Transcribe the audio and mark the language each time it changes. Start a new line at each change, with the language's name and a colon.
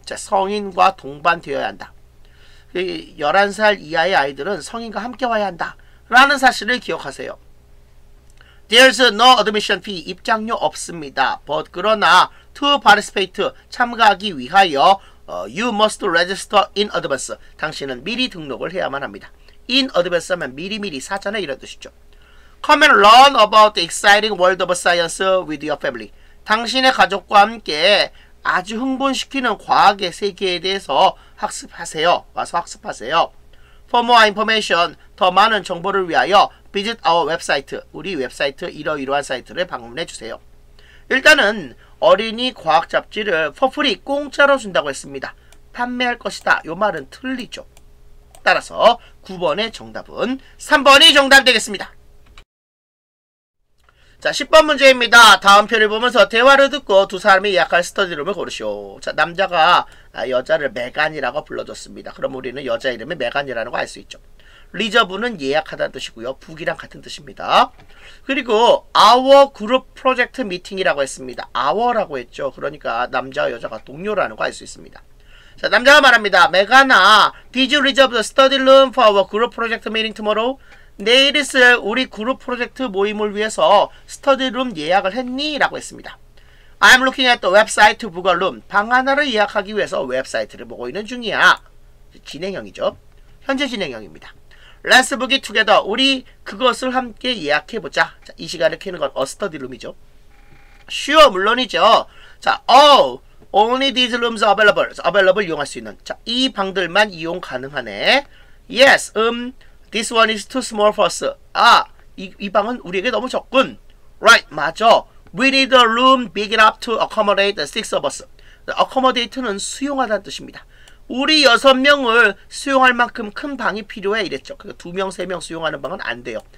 Korean: 자, 성인과 동반되어야 한다. 11살 이하의 아이들은 성인과 함께 와야 한다. 라는 사실을 기억하세요.
English: There's no admission fee.
Korean: 입장료 없습니다.
English: But
Korean: 그러나
English: to participate,
Korean: 참가하기 위하여
English: you must register in advance.
Korean: 당신은 미리 등록을 해야만 합니다.
English: In advance
Korean: 하면 미리미리 사전에 이런 뜻이죠.
English: Come and learn about the exciting world of science with your family.
Korean: 당신의 가족과 함께 아주 흥분시키는 과학의 세계에 대해서 학습하세요. 와서 학습하세요.
English: For more information,
Korean: 더 많은 정보를 위하여
English: visit our website,
Korean: 우리 웹사이트 이러이러한 사이트를 방문해 주세요. 일단은 어린이 과학 잡지를
English: for free,
Korean: 공짜로 준다고 했습니다. 판매할 것이다. 요 말은 틀리죠. 따라서 9번의 정답은 3번이 정답 되겠습니다. 자, 10번 문제입니다. 다음 편을 보면서 대화를 듣고 두 사람이 예약할 스터디룸을 고르시오. 자, 남자가 여자를 메간이라고 불러줬습니다. 그럼 우리는 여자 이름이 메간이라는 거 알 수 있죠. 리저브는 예약하다는 뜻이고요. 북이랑 같은 뜻입니다. 그리고
English: our group project meeting
Korean: 이라고 했습니다.
English: our
Korean: 라고 했죠. 그러니까 남자와 여자가 동료라는 거 알 수 있습니다. 자, 남자가 말합니다.
English: 메간아, did you reserve the study room for our group project meeting tomorrow?
Korean: 내일 있을 우리 그룹 프로젝트 모임을 위해서 스터디룸 예약을 했니? 라고 했습니다.
English: I'm looking at the website to book a room.
Korean: 방 하나를 예약하기 위해서 웹사이트를 보고 있는 중이야. 진행형이죠. 현재 진행형입니다.
English: Let's book it together.
Korean: 우리 그것을 함께 예약해보자. 자, 이 시간을 키는 건 a study room이죠.
English: Sure,
Korean: 물론이죠. 자,
English: only these rooms are available. available
Korean: 이용할 수 있는. 자, 이 방들만 이용 가능하네.
English: Yes, This one is too small for us.
Korean: 아, 이 방은 우리에게 너무 적군.
English: Right,
Korean: 맞아.
English: We need a room big enough to accommodate six of us.
Korean: Accommodate는 수용하다는 뜻입니다. 우리 여섯 명을 수용할 만큼 큰 방이 필요해. 이랬죠. 그러니까 두 명, 세 명 수용하는 방은 안 돼요.